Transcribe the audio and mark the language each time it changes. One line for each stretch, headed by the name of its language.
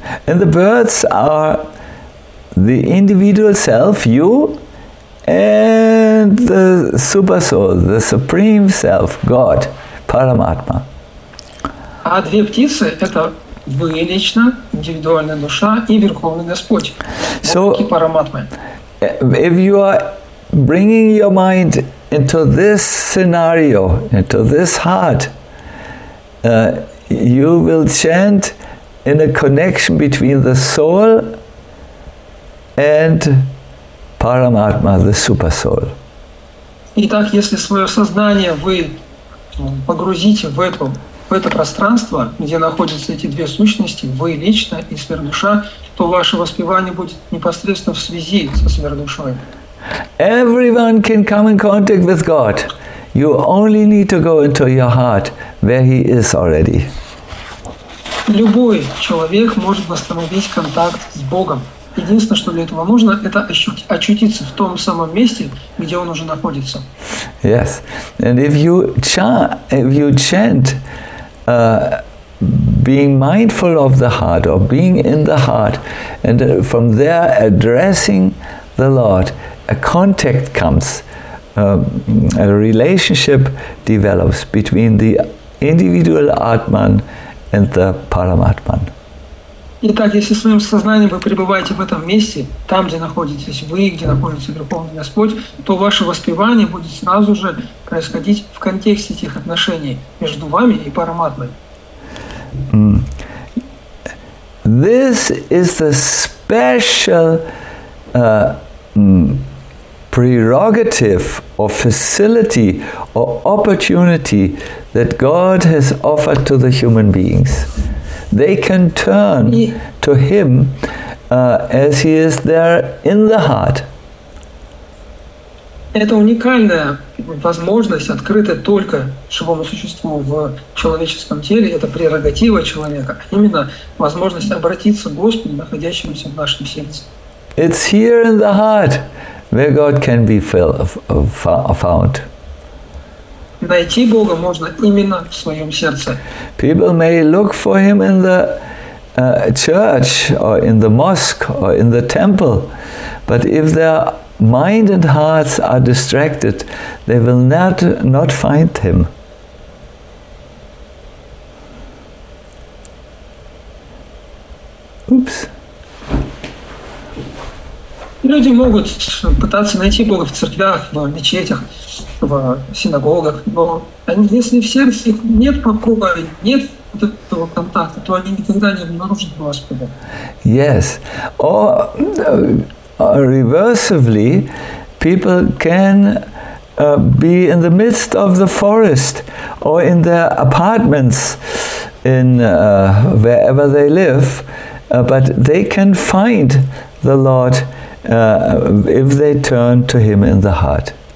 English: And the birds are the individual self, you, and the super soul, the supreme self, God, Paramatma.
Russian: А две птицы – это вы лично, индивидуальная душа и Верховный Господь, Бог и Параматма.
English: If you are bringing your mind into this scenario, into this heart, you will chant in a connection between the soul and Paramatma, the super soul.
Russian: Итак, если свое сознание вы погрузите в это пространство, где находятся эти две сущности, вы лично и сверхдуша, то ваше воспевание будет непосредственно в связи со сверхдушой.
English: Everyone can come in contact with God. You only need to go into your heart, where He is already.
Russian: Любой человек может восстановить контакт с Богом. Единственное, что для этого нужно, это очутиться в том самом месте, где он уже находится.
English: Yes. And if you chant being mindful of the heart or being in the heart, and from there addressing the Lord, a contact comes, a relationship develops between the individual Atman and the Paramatman.
Russian: Итак, если своим сознанием вы пребываете в этом месте, там, где находитесь вы, где находится Верховный Господь, то ваше воспевание будет сразу же происходить в контексте тех отношений между вами и Параматмой.
English: This is the special prerogative or facility or opportunity that God has offered to the human beings. They can turn to Him as He is there in the heart.
Russian: Это уникальная возможность, открытая только живому существу в человеческом теле. Это прерогатива человека. Именно возможность обратиться к Господу, находящемуся в нашем сердце.
English: It's here in the heart where God can be found.
Russian: Найти Бога можно именно в своем сердце.
English: People may look for Him in the church or in the mosque or in the temple, but if their mind and hearts are distracted, they will not find Him. Oops.
Russian: Люди могут пытаться найти Бога в церквях, в мечетях, в синагогах, но если в сердце нет покоя, нет вот этого контакта, то они никогда не обнаружат Господа.
English: Yes. Or reversively, people can be in the midst of the forest or in their apartments, in wherever they live, but they can find the Lord if they turn to Him in the heart.